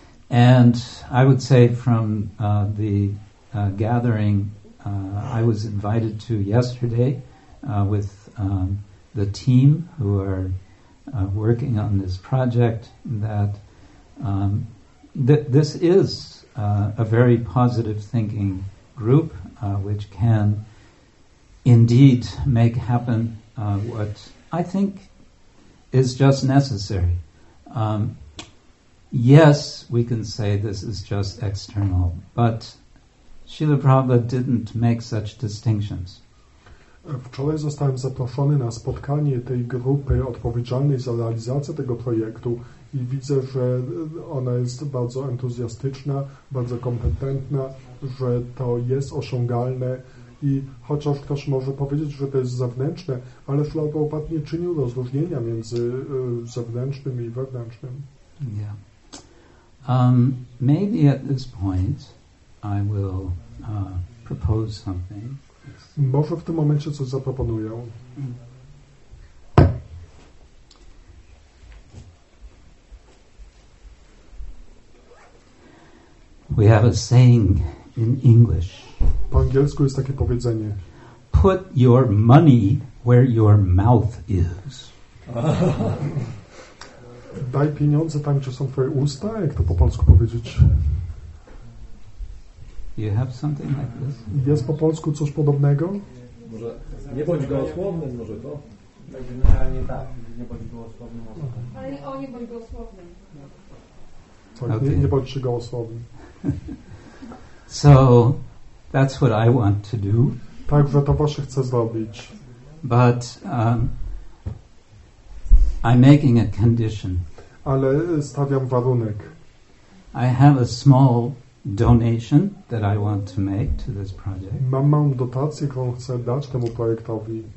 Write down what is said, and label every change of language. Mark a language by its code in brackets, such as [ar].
[en] And I would say from the gathering I was invited to yesterday with the team who are working on this project that this is a very positive thinking group which can indeed make happen what I think is just necessary. Yes, we can say this is just external, but Srila Prabhupada didn't make such distinctions. [pl] Wczoraj zostałem zaproszony na spotkanie tej grupy odpowiedzialnej za realizację tego projektu i widzę, że ona jest bardzo entuzjastyczna, bardzo kompetentna, że to jest osiągalne i chociaż ktoś może powiedzieć, że to jest zewnętrzne, ale Srila Prabhupada nie czynił rozróżnienia między zewnętrznym i wewnętrznym. [en] Yeah. Maybe at this point I will propose something. [pl] Może w tym momencie coś zaproponuję. [en] We have a saying in English. [pl] Po angielsku jest takie powiedzenie. [en] Put your money where your mouth is. [pl] Daj pieniądze tam, gdzie są twoje usta, jak to po polsku powiedzieć? [en] You have something like this? [pl] Jest po polsku coś podobnego? Może nie bądź gołosłownym, może to? Tak, generalnie tak, nie bądź gołosłownym. Ale nie bądź gołosłownym. Tak, okay. Nie bądź się gołosłownym. [en] So, that's what I want to do. [pl] Także to właśnie chcę zrobić. [en] But I'm making a condition. [pl] Ale stawiam warunek. [en] I have a small donation that I want to make to this project. [pl] Mam dotację, którą chcę dać temu projektowi.